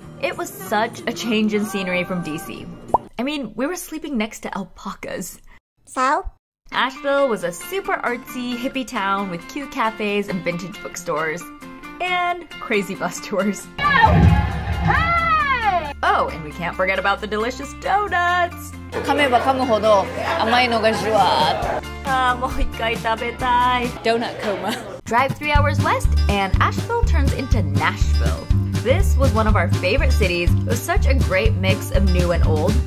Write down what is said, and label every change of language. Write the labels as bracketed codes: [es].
[en] It was such a change in scenery from DC. I mean, we were sleeping next to alpacas. So? Asheville was a super artsy, hippie town with cute cafes and vintage bookstores, and crazy bus tours. No! Oh, and we can't forget about the delicious donuts! [ja] 噛めば噛むほど甘いのがじゅわーっと。あー、もう一回食べたい。 [en] Donut coma. Drive 3 hours west, and Asheville turns into Nashville. This was one of our favorite cities. It was such a great mix of new and old.